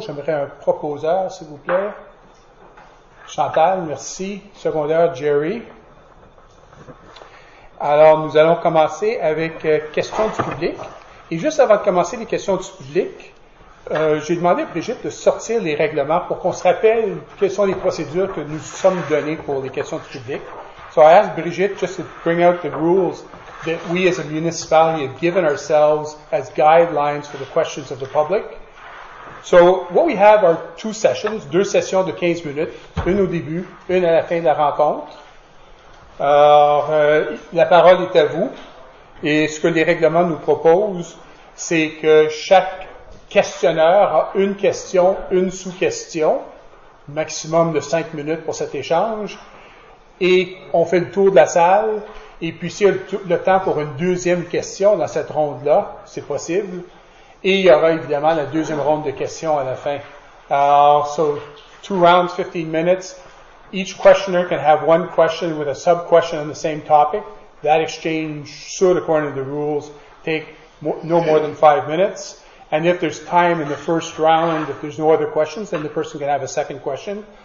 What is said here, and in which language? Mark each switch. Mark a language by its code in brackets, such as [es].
[fr] J'aimerais un proposeur, s'il vous plaît. Chantal, merci. Secondaire, Jerry. Alors, nous allons commencer avec questions du public. Et juste avant de commencer les questions du public, j'ai demandé à Brigitte de sortir les règlements pour qu'on se rappelle quelles sont les procédures que nous sommes données pour les questions du public. [en] So I asked Brigitte just to bring out the rules that we as a municipality have given ourselves as guidelines for the questions of the public. So what we have are two sessions, [fr] deux sessions de 15 minutes, une au début, une à la fin de la rencontre. Alors, la parole est à vous. Et ce que les règlements nous proposent, c'est que chaque questionneur a une question, une sous-question, maximum de 5 minutes pour cet échange. Et on fait le tour de la salle. Et puis, s'il y a le temps pour une deuxième question dans cette ronde-là, c'est possible. Et il y aura évidemment la deuxième ronde de questions à la fin. [en] Alors, so, two rounds, 15 minutes. Each questioner can have one question with a sub-question on the same topic. That exchange should, according to the rules, take no more than 5 minutes. And if there's time in the first round, if there's no other questions, then the person can have a second question.